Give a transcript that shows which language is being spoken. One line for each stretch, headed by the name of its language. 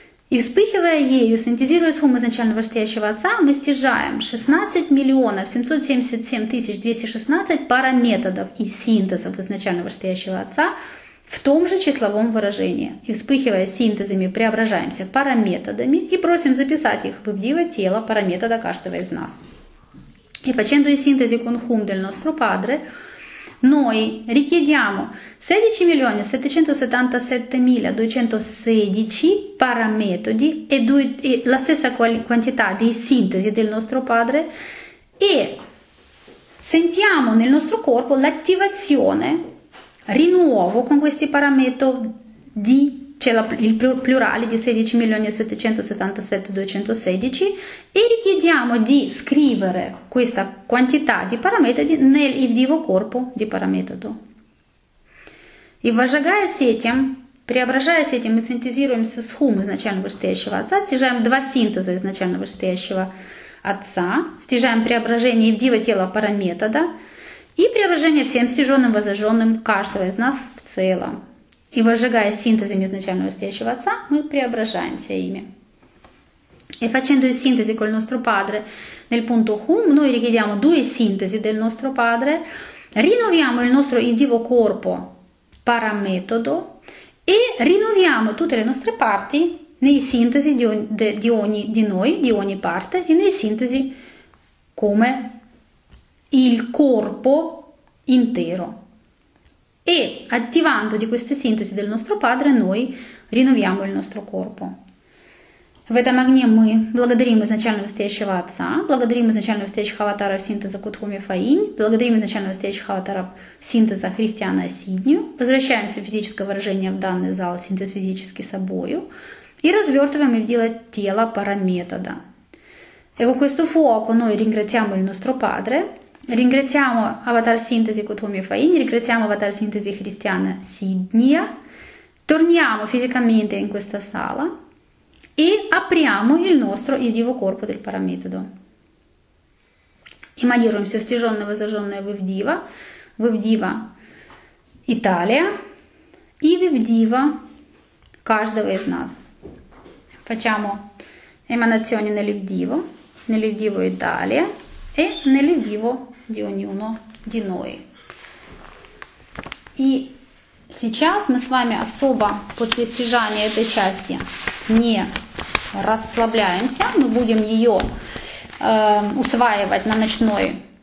Russian: И вспыхивая ею, синтезируя схему изначально вышестоящего отца, мы стяжаем 16.777.216 параметодов и синтезов изначально вышестоящего отца в том же числовом выражении. И вспыхивая синтезами, преображаемся параметодами и просим записать их в вдиво тело параметода каждого из нас.
Italian: И facendo синтези con hum del nostro padre, noi richiediamo 16.777.216 parametodi e la stessa quantità di sintesi del nostro padre e sentiamo nel nostro corpo l'attivazione, rinnovo con questi parametodi, c'è il plurale di 16.777.216 e richiediamo di scrivere questa quantità di parametodi nel divo corpo di parametodo.
Russian: И выжигаясь этим, преображаясь этим, мы синтезируемся с хум изначально вышестоящего отца, стяжаем два синтеза изначально вышестоящего отца, стяжаем преображение в диво тело параметода и преображение всем стяженным, возожженным каждого из нас в целом. И выжигая синтезами изначально вышестоящего отца, мы преображаемся ими.
Italian: E facendo il синтезе con il nostro padre nel punto хум, noi richiediamo due синтезы del nostro padre, rinnoviamo il nostro divo corpo parametodo e rinnoviamo tutte le nostre parti nei sintesi di ogni parte e nei sintesi come il corpo intero. E attivando di queste sintesi del nostro padre noi rinnoviamo il nostro corpo.
Russian: В этом огне мы благодарим изначально вышестоящего отца, благодарим изначально вышестоящих аватаров синтеза Кутхуми Фаинь, благодарим изначально вышестоящих аватаров синтеза Христиана Сидню, возвращаемся в физическое выражение в данный зал синтез физически собою и развертываем и делать тело параметода.
Italian: И con questo fuoco noi ringraziamo il nostro padre, ringraziamo аватар синтезе Кутхуми Фаинь, ringraziamo аватар синтезе Христиана Сидня, torniamo fisicamente in questa sala e apriamo il nostro il divo corpo del parametodo. Immaginiamo
Russian: все стяженное, возожженное в Вдива Италия и в Вдива каждого из нас.
Italian: Facciamo emanazioni nel Вдиво Италия e nel Вдиво di ognuno di noi.
Russian: И сейчас мы с вами особо после стяжания этой части не расслабляемся, мы будем ее усваивать на ночной